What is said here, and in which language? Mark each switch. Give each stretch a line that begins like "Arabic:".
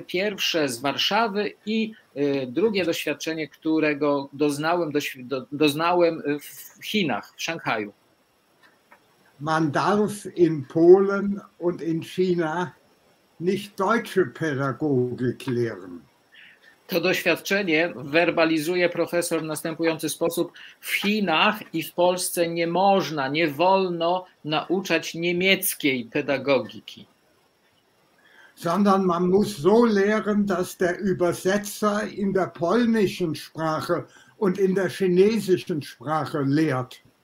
Polish: Pierwsze z Warszawy i drugie doświadczenie, którego doznałem w Chinach, w Szanghaju.
German: Man darf in Polen und in China nicht deutsche Pädagogik lehren.
Polish: To doświadczenie werbalizuje profesor w następujący sposób. W Chinach i w Polsce nie można, nie wolno nauczać niemieckiej pedagogiki.
German: Sondern man muss so lehren, dass der Übersetzer in der polnischen Sprache und in der chinesischen Sprache lehrt.